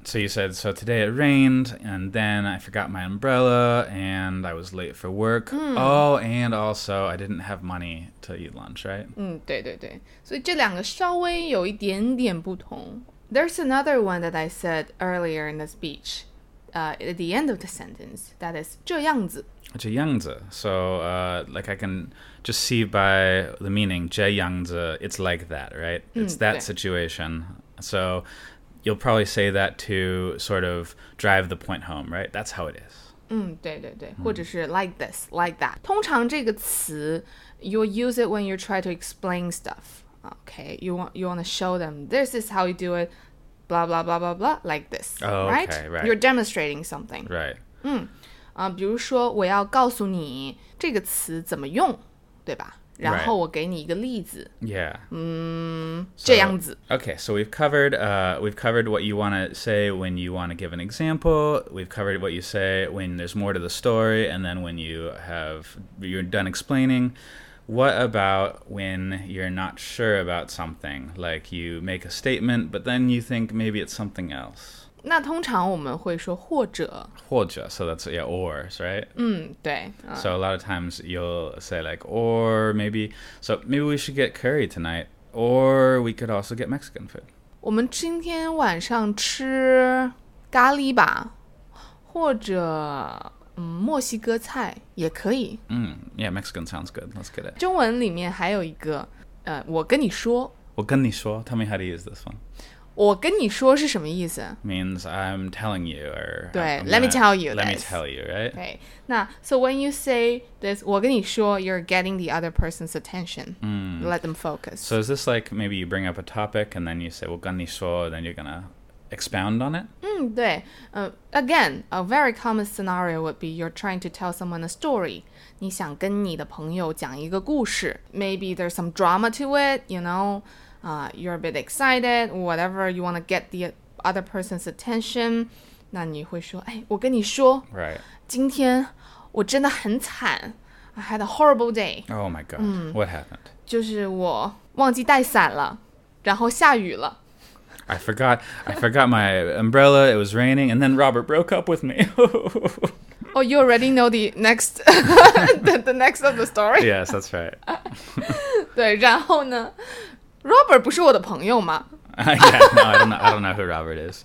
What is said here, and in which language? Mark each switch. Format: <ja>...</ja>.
<en>So you said, so today it rained and then I forgot my umbrella and I was late for work. Oh, and also I didn't have money to eat lunch, right?</en> <zh>对对对。所以这两个稍微有一点点不同。</zh> <en>There's another one that I said earlier in the speech, at the end of the sentence, that is 这样子。这样子, so like I can just see by the meaning, 这样子, it's like that, right? It's that situation. So you'll probably say that to sort of drive the point home, right? That's how it is.</en> <zh>对对对,或者是</zh> <en>like this, like that.</en> <zh>通常这个词,</zh> <en>you'll use it when you try to explain stuff. Okay, you want to show them, this is how you do it, blah, blah, blah, blah, blah, like this, right? Right? You're demonstrating something. Right.</en> <zh>比如说我要告诉你这个词怎么用对吧然后我给你一个例子</zh> <en>Yeah.</en> <zh>这样子</zh> <en>Okay, so we've covered what you want to say when you want to give an example. We've covered what you say when there's more to the story and then when you're done explaining. What about when you're not sure about something? Like you make a statement but then you think maybe it's something else.</en> <zh>那通常我们会说或者。</zh> <en>或者, so that's, yeah, ors, right?</en> <zh>对。</zh> <en>So a lot of times you'll say like, or maybe, so maybe we should get curry tonight, or we could also get Mexican food.</en> <zh>我们今天晚上吃咖喱吧,或者墨西哥菜也可以。</zh> <en>Yeah, Mexican sounds good, let's get it.</en> <zh>中文里面还有一个,我跟你说。</zh> <en>我跟你说, tell me how to use this one.</en> <zh>我跟你说是什么意思</zh> <en>means I'm telling you or</en> <zh>对</zh> <en>I'm let me tell you let this let me tell you right okay. 那 so when you say this 我跟你说 you're getting the other person's attention、 mm. let them focus so is this like maybe you bring up a topic and then you say 我跟你说 then you're gonna expound on it、 mm, 对、again a very common scenario would be you're trying to tell someone a story</en> <zh>你想跟你的朋友讲一个故事</zh> <en>maybe there's some drama to it you knowyou're a bit excited, whatever, you want to get the other person's attention,</en> <zh>那你会说,哎,我跟你说,</zh> <en>right.</en> <zh>今天我真的很惨,</zh> <en>I had a horrible day. Oh my god, what happened?</en> <zh>就是我忘记带伞了,然后下雨了。</zh> <en>I forgot my umbrella, it was raining, and then Robert broke up with me. Oh, you already know the next, the next of the story? Yes, that's right.</en> <zh>对,然后呢?Robert 不是我的朋友吗?</zh> <en>Yeah, no, I don't know who Robert is.</en>